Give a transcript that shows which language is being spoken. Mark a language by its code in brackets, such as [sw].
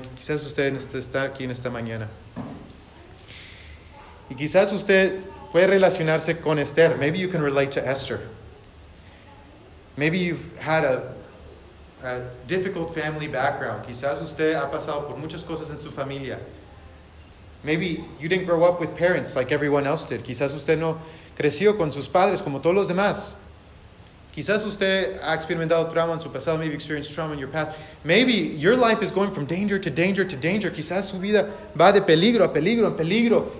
[es] Quizás usted está aquí en esta mañana. Y quizás usted puede relacionarse con Esther. [en] Maybe you can relate to Esther. Maybe you've had a difficult family background. [es] Quizás usted ha pasado por muchas cosas en su familia. [en] Maybe you didn't grow up with parents like everyone else did. [es] Quizás usted no creció con sus padres como todos los demás. Quizás usted ha experimentado trauma en su pasado. [en] Maybe you experienced trauma in your past. Maybe your life is going from danger to danger to danger. [es] Quizás su vida va de peligro a peligro en peligro.